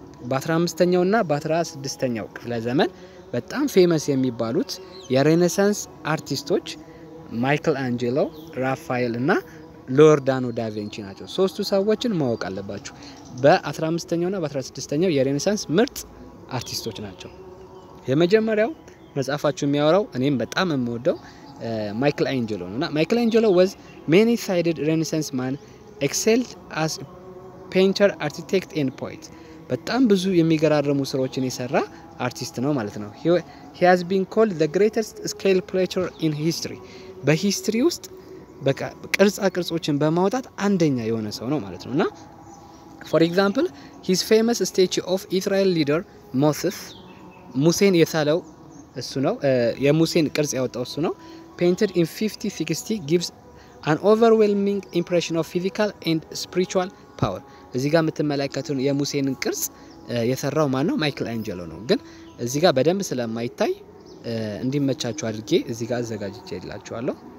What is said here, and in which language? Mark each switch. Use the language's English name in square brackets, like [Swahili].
[Amharic] በ15ኛውና በ16ኛው ክፍለ ዘመን በጣም ፌመስ የሚባሉት የሬነሳንስ አርቲስቶች ማይክል አንጀሎ፣ ራፋኤል እና ሎርዳኖ ዳቬንቺ ናቸው። ሶስቱ ሰዎችን ማወቅ አለባችሁ። በ15ኛውና በ16ኛው የሬነሳንስ ምርጥ አርቲስቶች ናቸው። የመጀመሪያው መጽሐፋችሁ የሚያወራው እኔም በጣም የምወደው ማይክል አንጀሎ ነውና ማይክል አንጀሎ [English] was many-sided renaissance man excelled as painter, architect and poet. [Amharic] በጣም ብዙ የሚገራረሙ ስራዎችን የሰራ አርቲስት ነው ማለት ነው. [English] He has been called the greatest scale painter in history. [Amharic] በሂስትሪ ውስጥ በቅርጻ ቅርጾችን በማውጣት አንደኛ የሆነ ሰው ነው ማለት ነውና [English] for example his famous statue of Israel leader Moses [Amharic] ሙሴን የሳለው እሱ ነው የሙሴን ቅርጽ ያወጣው እሱ ነው [English] painted in 5060 gives an overwhelming impression of physical and spiritual power [Amharic] እዚህ ጋር የምትመለከቱን የሙሴን ቅርጽ የሰራው ማን ነው ማይክል አንጀሎ ነው ግን እዚህ ጋር በደንብ ስለማይታይ እንዲመቻቹ አድርጌ እዚህ ጋር አዘጋጅቼላችኋለሁ